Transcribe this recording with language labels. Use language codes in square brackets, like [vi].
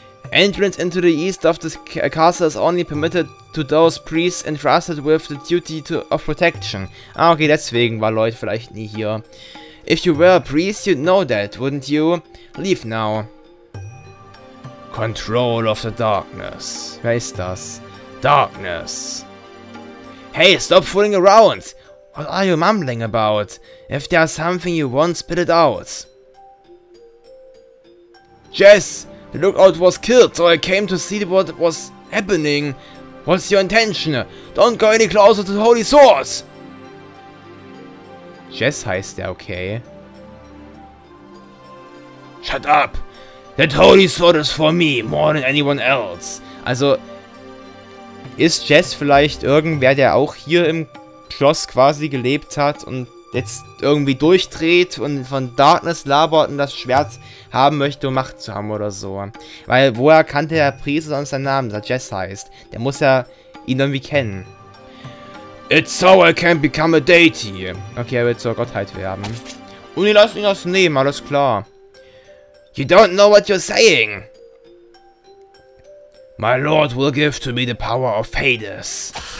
[en] Entrance into the east of this castle is only permitted to those priests entrusted with the duty of protection. [de] Ah, okay, deswegen war Lloyd vielleicht nie hier. [en] If you were a priest, you'd know that, wouldn't you? Leave now. Control of the darkness. [de] Wer ist das? [en] Darkness. Hey, stop fooling around. What are you mumbling about? If there's something you want, spit it out. Jess, the lookout was killed, so I came to see what was happening. What's your intention? Don't go any closer to the holy source. [de] Jess heißt der, okay. [en] Shut up. That holy sword is for me, more than anyone else. [de] Also, ist Jess vielleicht irgendwer, der auch hier im Schloss quasi gelebt hat und jetzt irgendwie durchdreht und von Darkness labert und das Schwert haben möchte, um Macht zu haben oder so? Weil, woher kannte der Priester sonst seinen Namen, der Jess heißt? Der muss ja ihn irgendwie kennen. [en] It's so I can become a deity. [de] Okay, er wird zur Gottheit werden. Und die lassen ihn das nehmen, alles klar. [en] You don't know what you're saying. My lord will give to me the power of Hades.